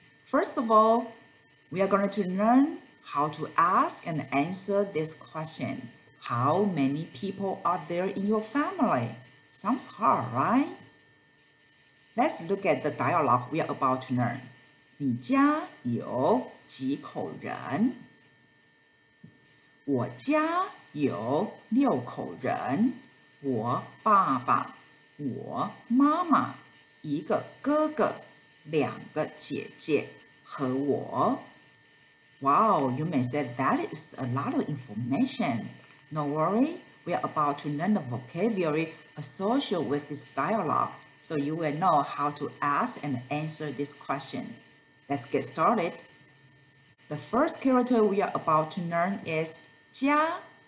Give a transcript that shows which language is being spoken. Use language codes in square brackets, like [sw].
[en] First of all, we are going to learn how to ask and answer this question. How many people are there in your family? Sounds hard, right? Let's look at the dialogue we are about to learn. [zh] 你家有几口人？我家有六口人，我爸爸，我妈妈，一个哥哥，两个姐姐和我。 [en] Wow, you may say that is a lot of information. No worry, we are about to learn the vocabulary associated with this dialogue, so you will know how to ask and answer this question. Let's get started. The first character we are about to learn is 家.